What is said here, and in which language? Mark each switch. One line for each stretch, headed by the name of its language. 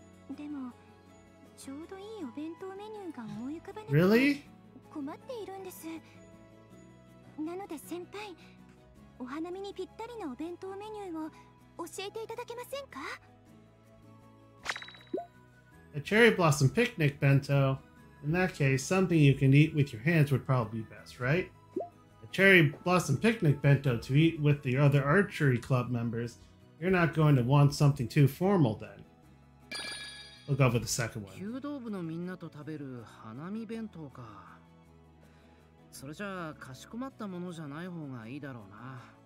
Japanese: でもちょうどいいお弁当メニューが思い浮かばなくて、
English: really?
Japanese: 困っているんです。なので先輩、お花見にぴったりなお弁当メニューを教えていただけませんか?
English: A cherry blossom picnic bento. In that case, something you can eat with your hands would probably be best, right? A cherry blossom picnic bento to eat with the other archery club members. You're not going to want something too formal then. We'll go with the second one.
Japanese: 弓道部のみんなと食べる花見弁当か。それじゃあかしこまったものじゃない方がいいだろうな。